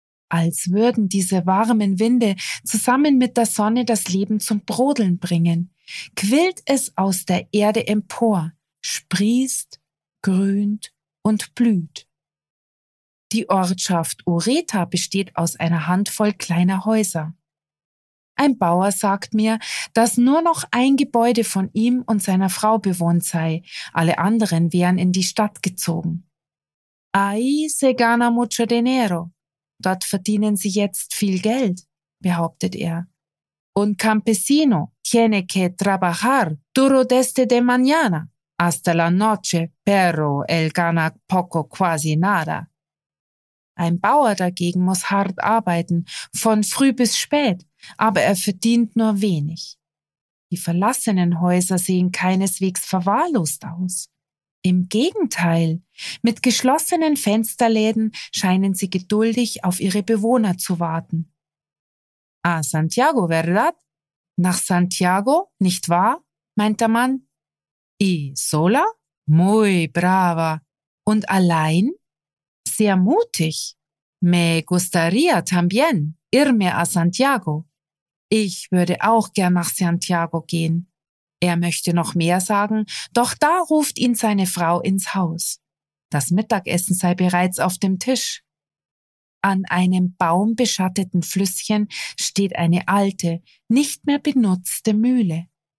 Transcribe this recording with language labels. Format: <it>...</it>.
<de>Als würden diese warmen Winde zusammen mit der Sonne das Leben zum Brodeln bringen, quillt es aus der Erde empor, sprießt, grünt und blüht. Die Ortschaft Ureta besteht aus einer Handvoll kleiner Häuser. Ein Bauer sagt mir, dass nur noch ein Gebäude von ihm und seiner Frau bewohnt sei, alle anderen wären in die Stadt gezogen.</de> <es>Ahí se gana mucho dinero.</es> <de>Dort verdienen sie jetzt viel Geld, behauptet er.</de> <es>Un campesino tiene que trabajar duro desde de mañana hasta la noche, pero él gana poco quasi nada.</es> <de>Ein Bauer dagegen muss hart arbeiten, von früh bis spät, aber er verdient nur wenig. Die verlassenen Häuser sehen keineswegs verwahrlost aus. Im Gegenteil, mit geschlossenen Fensterläden scheinen sie geduldig auf ihre Bewohner zu warten.</de> <es>A Santiago, ¿verdad?</es> <de>Nach Santiago, nicht wahr? Meint der Mann.</de> <es>Y sola? Muy brava.</es> <de>Und allein? Sehr mutig.</de> <es>Me gustaría también irme a Santiago.</es> <de>Ich würde auch gern nach Santiago gehen. Er möchte noch mehr sagen, doch da ruft ihn seine Frau ins Haus. Das Mittagessen sei bereits auf dem Tisch. An einem baumbeschatteten Flüsschen steht eine alte, nicht mehr benutzte Mühle.</de>